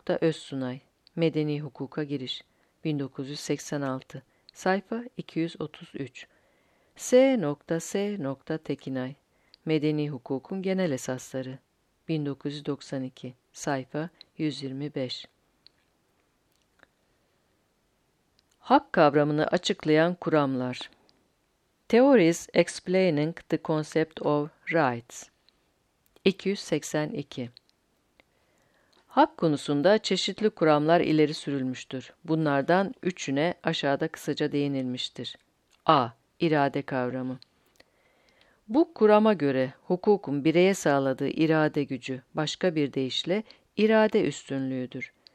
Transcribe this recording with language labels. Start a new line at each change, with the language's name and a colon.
Turkish: Özsunay, Medeni Hukuka Giriş, 1986, sayfa 233. S. S. Tekinay, Medeni Hukukun Genel Esasları, 1992, sayfa 125. Hak kavramını açıklayan kuramlar.
English: Theories explaining the concept of rights.
Turkish: 282. Hak konusunda çeşitli kuramlar ileri sürülmüştür. Bunlardan üçüne aşağıda kısaca değinilmiştir. A. İrade kavramı. Bu kurama göre hukukun bireye sağladığı irade gücü, başka bir deyişle irade üstünlüğüdür.